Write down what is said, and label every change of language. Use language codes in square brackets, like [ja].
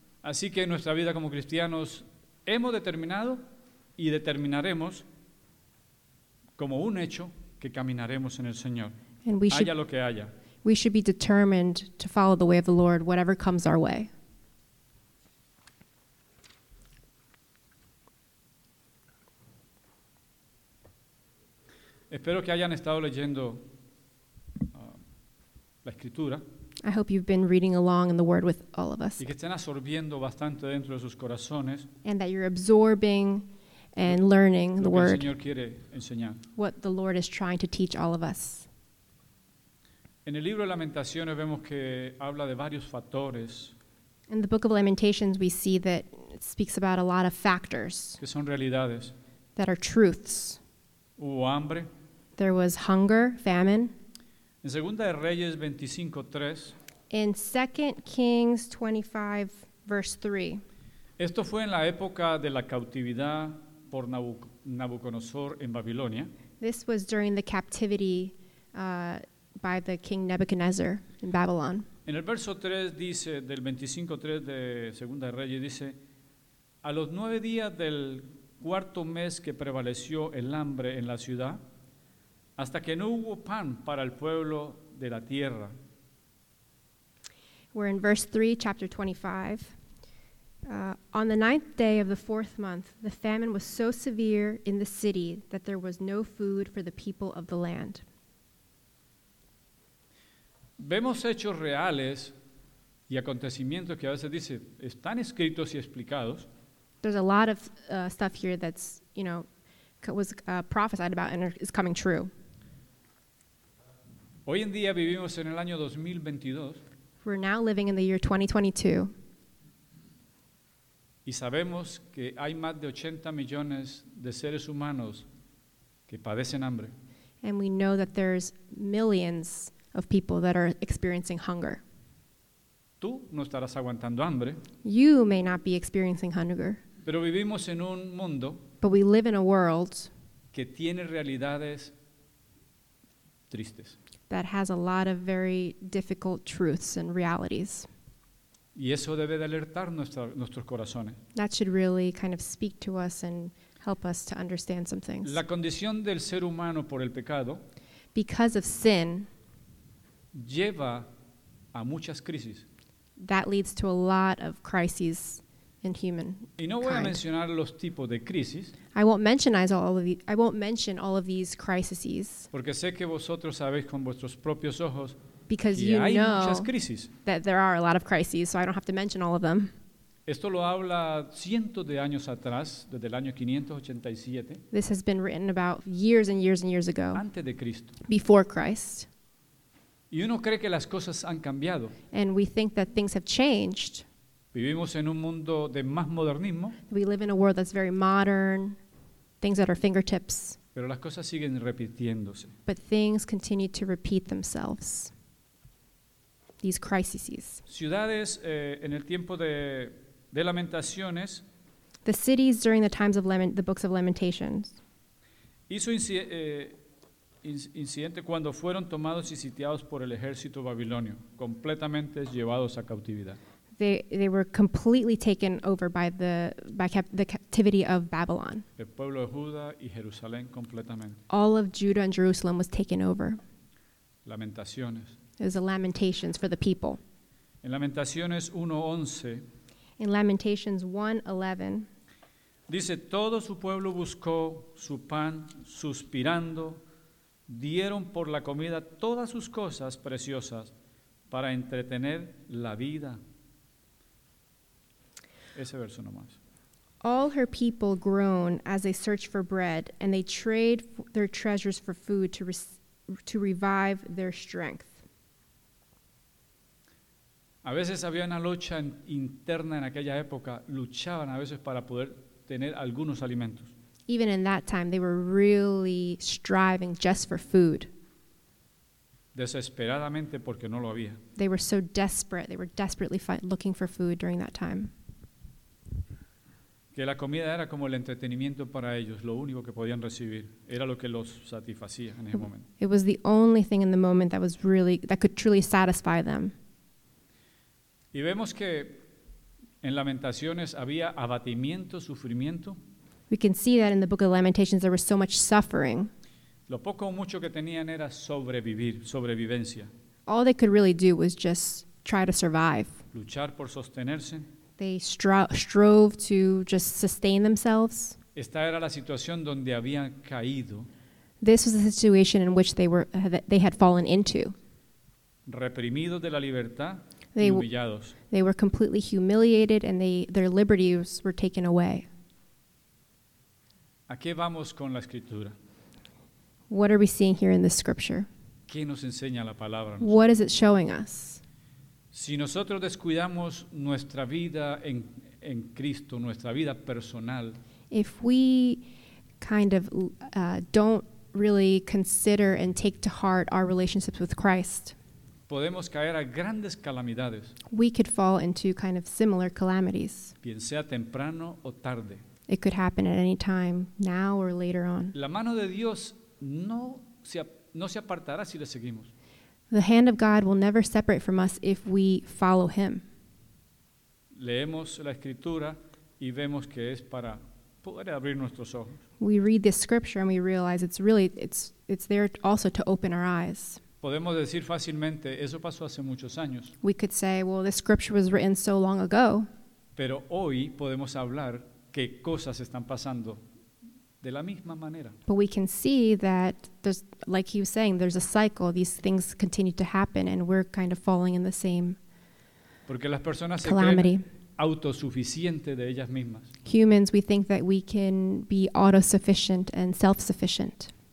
[es] Así que en nuestra vida como cristianos hemos determinado y determinaremos como un hecho que caminaremos en el Señor. [en] And we [es] haya lo que haya. [en] We should be determined to follow the way of the Lord, whatever comes our way. [es] Espero que hayan estado leyendo la escritura. [en] I hope you've been reading along in the Word with all of us. [es] Y que estén absorbiendo bastante dentro de sus corazones. [en] And that you're absorbing and learning the Word. [es] Lo que el Señor quiere enseñar. [en] What the Lord is trying to teach all of us. [es] En el libro de Lamentaciones vemos que habla de varios factores. [en] In the book of Lamentations we see that it speaks about a lot of factors. [es] Que son realidades. [en] That are truths. [es] Hubo hambre. [en] There was hunger, famine. [es] En Segunda de Reyes 25:3. [en] In 2 Kings 25 verse 3. [es] Esto fue en la época de la cautividad por Nabucodonosor en Babilonia. [en] This was during the captivity by the king Nebuchadnezzar in Babylon. [es] En el verso 3 dice, del 25:3 de Segunda de Reyes, dice, a los 9 días del cuarto mes que prevaleció el hambre en la ciudad, hasta que no hubo pan para el pueblo de la tierra. [en] We're in verse 3, chapter 25. On the ninth day of the fourth month, the famine was so severe in the city that there was no food for the people of the land. [es] Vemos hechos reales y acontecimientos que a veces dice están escritos y explicados. [en] There's a lot of stuff here that's, you know, was prophesied about and is coming true. [es] Hoy en día vivimos en el año 2022. [en] We're now living in the year 2022. [es] Y sabemos que hay más de 80 millones de seres humanos que padecen hambre. [en] And we know that there's millions of people that are experiencing hunger. [es] Tú no estarás aguantando hambre. [en] You may not be experiencing hunger. [es] Pero vivimos en un mundo. [en] But we live in a world [es] que tiene realidades tristes. [en] That has a lot of very difficult truths and realities. [es] Y eso debe de alertar nuestros corazones. [en] That should really kind of speak to us and help us to understand some things. [es] La condición del ser humano por el pecado. [en] Because of sin. [es] Lleva a muchas crisis. [en] That leads to a lot of crises in humankind. [es] Y no voy a mencionar los tipos de crisis. [en] I won't mention all of these crises. [es] Porque sé que vosotros sabéis con vuestros propios ojos. [en] Because [es] que [en] you [es] hay [en] know [es] muchas crisis. [en] That there are a lot of crises, so I don't have to mention all of them. [es] Esto lo habla cientos de años atrás, desde el año 587. [en] This has been written about years and years and years ago. [es] Antes de Cristo. [en] Before Christ. [es] Y uno cree que las cosas han cambiado. [en] And we think that things have changed. [es] Vivimos en un mundo de más modernismo. [en] We live in a world that's very modern. Things at our fingertips. [es] Pero las cosas siguen repitiéndose. [en] But things continue to repeat themselves. These crises. [es] Ciudades en el tiempo de Lamentaciones. [en] The cities during the times of the books of Lamentations. [es] Hizo incidente cuando fueron tomados y sitiados por el ejército babilonio, completamente llevados a cautividad. [en] They were completely taken over by the captivity of Babylon. [es] El pueblo de Judá y Jerusalén completamente. [en] All of Judah and Jerusalem was taken over. [es] Lamentaciones. [en] It was a Lamentations for the people. [es] En Lamentaciones 1:11. [en] In Lamentations 1:11. [es] Dice, todo su pueblo buscó su pan, suspirando, dieron por la comida todas sus cosas preciosas para entretener la vida. Ese verso nomás. [en] All her people groan as they search for bread, and they trade their treasures for food to revive their strength. [es] A veces había una lucha interna en aquella época, luchaban a veces para poder tener algunos alimentos. [en] Even in that time, they were really striving just for food. [es] Desesperadamente porque no lo había. [en] They were so desperate. They were desperately looking for food during that time. [es] Que la comida era como el entretenimiento para ellos, lo único que podían recibir. Era lo que los satisfacía en ese momento. [en] It was the only thing in the moment that was really, that could truly satisfy them. [es] Y vemos que en Lamentaciones había abatimiento, sufrimiento. [en] We can see that in the book of Lamentations there was so much suffering. [es] Lo poco o mucho que tenían era sobrevivir, sobrevivencia. [en] All they could really do was just try to survive. [es] Luchar por sostenerse. [en] They strove to just sustain themselves. [es] Esta era la situación donde habían caído. [en] This was the situation in which they had fallen into. [es] Reprimidos de la libertad. [en] They, [es] humillados. [en] They were completely humiliated and their liberties were taken away. [es] ¿A qué vamos con la escritura? [en] What are we seeing here in the scripture? [es] ¿Qué nos enseña la palabra? [en] What is it showing us? [es] Si nosotros descuidamos nuestra vida en Cristo, nuestra vida personal. [en] If we kind of don't really consider and take to heart our relationships with Christ. [es] Podemos caer a grandes calamidades. [en] We could fall into kind of similar calamities. [es] Bien sea temprano o tarde. [en] It could happen at any time, now or later on. [es] La mano de Dios no se apartará si le seguimos. [en] The hand of God will never separate from us if we follow Him. [es] Leemos la escritura y vemos que es para poder abrir nuestros ojos. [en] We read the scripture and we realize it's there also to open our eyes. [es] Podemos decir fácilmente, eso pasó hace muchos años. [en] We could say, well, this scripture was written so long ago. [es] Pero hoy podemos hablar que cosas están pasando de la misma manera. [en] But we can see that, there's, like he was saying, there's a cycle. These things continue to happen and we're kind of falling in the same calamity. [es] Porque las personas se creen autosuficientes de ellas mismas. [en] Humans, we think that we can be autosufficient and self-sufficient.